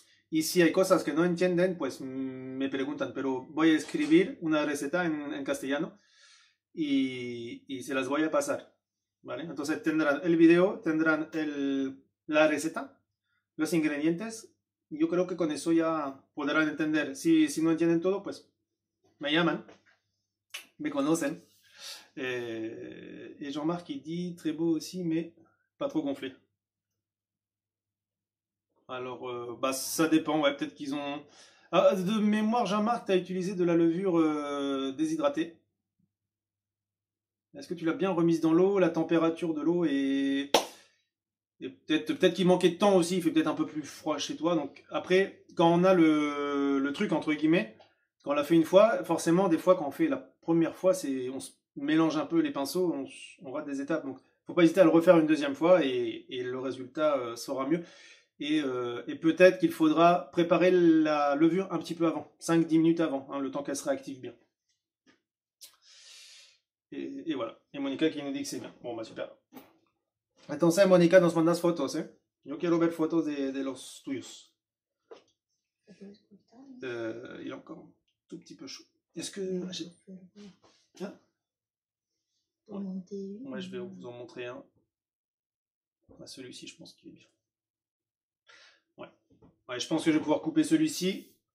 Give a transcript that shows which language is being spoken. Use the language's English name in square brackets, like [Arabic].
[Spanish] Y si hay cosas que no entienden, pues me preguntan. Pero voy a escribir una receta en castellano y se las voy a pasar. ¿Vale? Entonces tendrán el video, tendrán la receta, los ingredientes. Y yo creo que con eso ya podrán entender. Si no entienden todo, pues me llaman, me conocen. Y Jean-Marc dice, [French] très beau aussi, mais pas trop gonflé. Alors, bah, ça dépend, ouais, peut-être qu'ils ont... Ah, de mémoire, Jean-Marc, tu as utilisé de la levure déshydratée. Est-ce que tu l'as bien remise dans l'eau, la température de l'eau et peut-être qu'il manquait de temps aussi, il fait peut-être un peu plus froid chez toi. Donc après, quand on a le truc, entre guillemets, quand on l'a fait une fois, forcément, des fois, quand on fait la première fois, on se mélange un peu les pinceaux, on rate des étapes. Donc, faut pas hésiter à le refaire une deuxième fois et le résultat sera mieux. Et peut-être qu'il faudra préparer la levure un petit peu avant, 5-10 minutes avant, hein, le temps qu'elle se réactive bien. Et voilà. Et Monica qui nous dit que c'est bien. Bon, bah super. Attention, Monica, [Spanish] nos mandas fotos. [French] Hein. [Spanish] Yo quiero ver fotos de los tuyos. [French] Il est encore un tout petit peu chaud. Est-ce que. J'ai... Hein? Ouais. Ouais, je vais vous en montrer un. Bah, celui-ci, je pense qu'il est bien. Ouais, je pense que je vais pouvoir couper celui-ci.